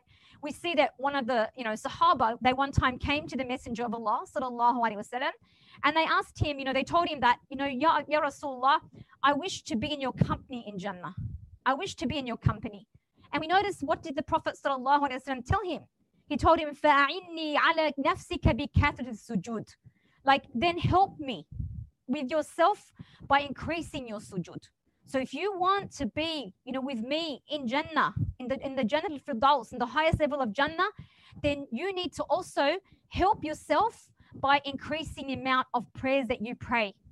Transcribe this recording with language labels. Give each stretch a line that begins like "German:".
English: Like we see that one of the, you know, Sahaba, they one time came to the Messenger of Allah, sallallahu alayhi wa sallam, and they asked him, you know, they told him that, you know, Ya Rasulullah, I wish to be in your company in Jannah. I wish to be in your company. And we notice, what did the Prophet sallallahu alayhi wa sallam tell him? He told him,
Arabic: فَأَعِنِّي عَلَى نَفْسِكَ بِكَثْرِ السُّجُودِ.
English: Like, then help me with yourself by increasing your sujood. So if you want to be, you know, with me in Jannah, in the Jannah al-Firdaws, in the highest level of Jannah, then you need to also help yourself by increasing the amount of prayers that you pray.